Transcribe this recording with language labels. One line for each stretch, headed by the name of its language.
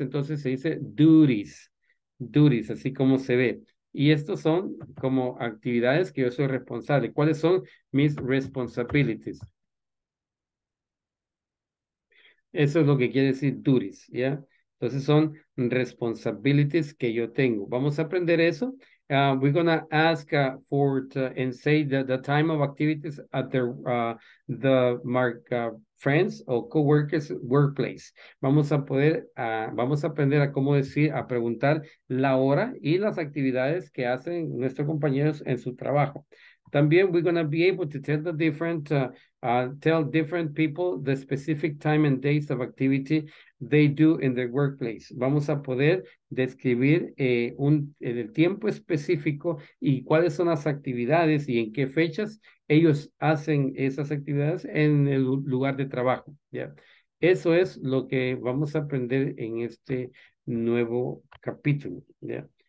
Spanish: Entonces se dice duties. Duties, así como se ve. Y estos son como actividades que yo soy responsable. ¿Cuáles son mis responsibilities? Eso es lo que quiere decir duties, ¿ya? Entonces son responsibilities que yo tengo. Vamos a aprender eso.
English: We're going to ask for and say the time of activities at the Mark friends or coworkers workplace.
Spanish: Vamos a aprender a cómo decir, a preguntar la hora y las actividades que hacen nuestros compañeros en su trabajo.
English: También we're going to be able to tell the different tell different people the specific time and days of activity they do in their workplace.
Spanish: Vamos a poder describir el tiempo específico y cuáles son las actividades y en qué fechas ellos hacen esas actividades en el lugar de trabajo. Yeah. Eso es lo que vamos a aprender en este nuevo capítulo. Yeah.